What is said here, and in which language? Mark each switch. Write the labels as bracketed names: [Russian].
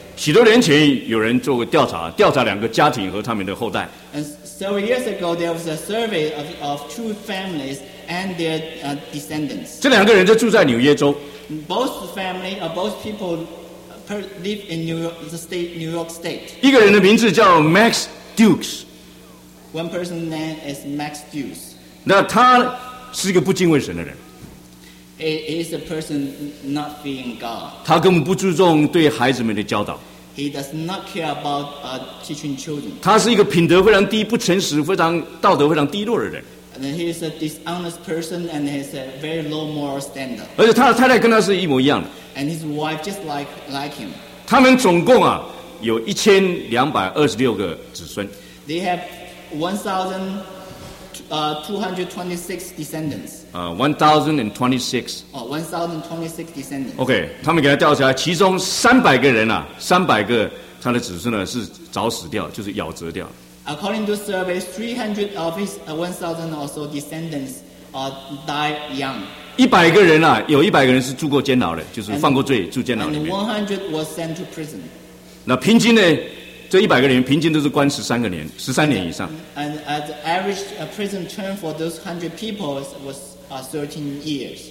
[Chinese] 许多年前有人做过调查，调查两个家庭和他们的后代。 [English] And several years ago, there was a survey of two families and their descendants. [Chinese] 这两个人就住在纽约州。 [English] Both family or both people live in New York, the state, New York State. [Chinese] 一个人的名字叫 Max Dukes. [English] One person's name is Max Dukes. [Chinese] 那他是一个不敬畏神的人。 [English] He is a person not fearing God. [Chinese] 他根本不注重对孩子们的教导。 [English] He does not care about teaching children. [Chinese] 他是一个品德非常低、不诚实、非常道德非常低落的人。 [English] And he is a dishonest person, and he has a very low moral standard. [Chinese] 而且他的太太跟他是一模一样的。 [English] And his wife just like him. [Chinese] 他们总共啊有1226个子孙。 [English] They have 1,226 descendants. 1,026 descendants. [Chinese] Okay, 他们给他调查，其中300个人啊，300个他的子孙呢是早死掉，就是夭折掉。 [English] According to surveys, 300 of his 1,000 or so descendants died young. [Chinese] 100个人啊，有100个人是住过监牢的，就是犯过罪住监牢里面。 [English] And 100 was sent to prison. [Chinese] 那平均呢？这100个人平均都是关13个年，13年以上。 [English] And the average prison term for those 100 people was 13 years.